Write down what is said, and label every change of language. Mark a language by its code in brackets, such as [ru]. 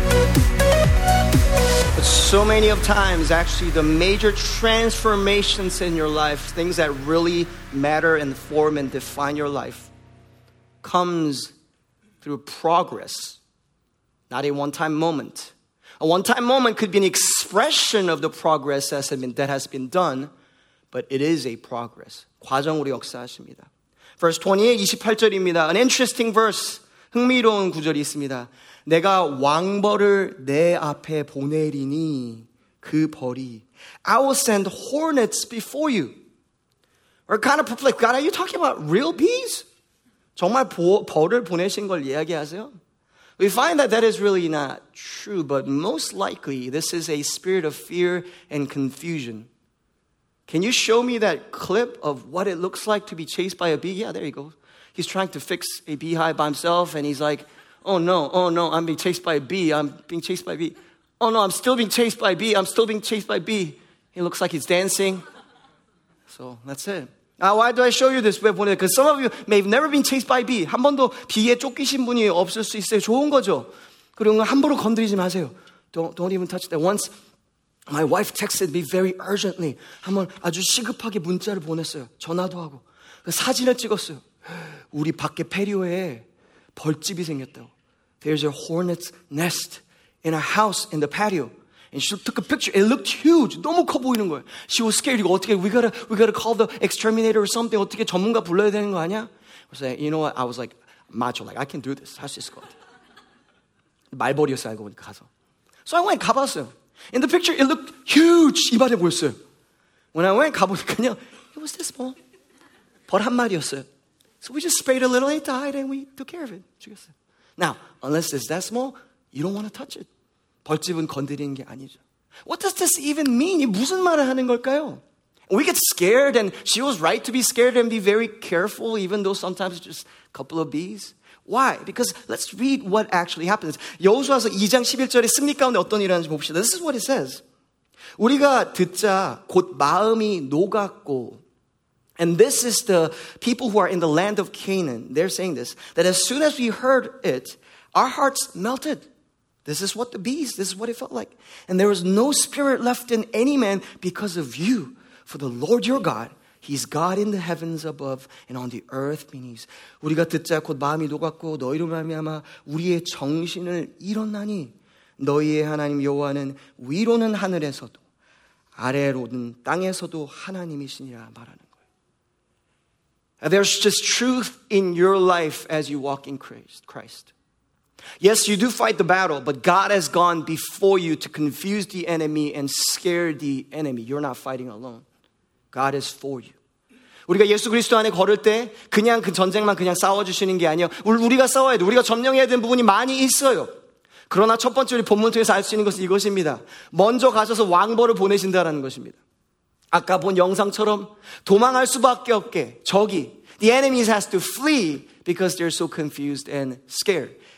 [en] So many of times, actually, the major transformations in your life, things that really matter and form and define your life, comes through progress, not a one-time moment. A one-time moment could be an expression of the progress that has been done, but it is a progress. [ko] 과정으로 역사하십니다. [en] Verse 28, [ko] 28절입니다. [en] An interesting verse. [ko] 흥미로운 구절이 있습니다. 내가 왕벌을 내 앞에 보내리니 그 벌이 [en] I will send hornets before you. We're kind of perplexed. God, are you talking about real bees? [ko] 정말 벌을 보내신 걸 이야기하세요? [en] We find that that is really not true, but most likely this is a spirit of fear and confusion. Can you show me that clip of what it looks like to be chased by a bee? Yeah, there you go. He's trying to fix a beehive by himself, and he's like, oh, no, I'm being chased by a bee. I'm being chased by a bee. Oh, no, I'm still being chased by a bee. I'm still being chased by a bee. He looks like he's dancing. So that's it. Now, why do I show you this? Because some of you may have never been chased by a bee. [ko] 한 번도 비에 쫓기신 분이 없을 수 있어요. 좋은 거죠. 그리고 함부로 건드리지 마세요. [en] Don't even touch that. Once my wife texted me very urgently. [ko] 한번 아주 시급하게 문자를 보냈어요. 전화도 하고. 그 사진을 찍었어요. 우리 밖에 패리오에 벌집이 생겼다고. [en] There's a hornet's nest in our house in the patio. And she took a picture. It looked huge. [ko] 너무 커 보이는 거예요. [en] She was scared. [ko] 이거 어떻게, [en] we gotta call the exterminator or something. [ko] 어떻게 전문가 불러야 되는 거 아니야? [en] I was like, you know what? I was like, macho. Like, I can do this. [ko] 할 수 있을 것 같아. 말벌이었어요, 알고 보니까 가서. [en] So I went, [ko] 가봤어요. [en] In the picture, it looked huge. [ko] 이만해 보였어요. [en] When I went, [ko] 가보니까요. [en] It was this small. [ko] 벌 한 마리였어요. [en] So we just sprayed a little, it died, and we took care of it. [ko] 죽였어요. [en] Now, unless it's that small, you don't want to touch it. [ko] 벌집은 건드리는 게 아니죠. [en] What does this even mean? [ko] 이 무슨 말을 하는 걸까요? [en] We get scared, and she was right to be scared and be very careful, even though sometimes it's just a couple of bees. Why? Because let's read what actually happens. [ko] 여호수아서 2장 11절의 승리 가운데 어떤 일이 하는지 봅시다. [en] This is what it says. [ko] 우리가 듣자 곧 마음이 녹았고, [en] and this is the people who are in the land of Canaan. They're saying this, that as soon as we heard it, our hearts melted. This is what the bees, this is what it felt like. And there was no spirit left in any man because of you. For the Lord your God, he's God in the heavens above and on the earth beneath. [ko] 우리가 듣자 곧 마음이 녹았고 너희로 말미암아 우리의 정신을 잃었나니 너희의 하나님 여호와는 위로는 하늘에서도 아래로는 땅에서도 하나님이시니라 말하는. [en] There's just truth in your life as you walk in Christ. Yes, you do fight the battle, but God has gone before you to confuse the enemy and scare the enemy. You're not fighting alone. God is for you. [ko] 우리가 예수 그리스도 안에 걸을 때 그냥 그 전쟁만 그냥 싸워주시는 게 아니에요. 우리가 싸워야 돼. 우리가 점령해야 되는 부분이 많이 있어요. 그러나 첫 번째 우리 본문 통해서 알 수 있는 것은 이것입니다. 먼저 가셔서 왕벌을 보내신다라는 것입니다. 아까 본 영상처럼 도망할 수밖에 없게 저기 [en] The enemies has to flee because they're so confused and scared.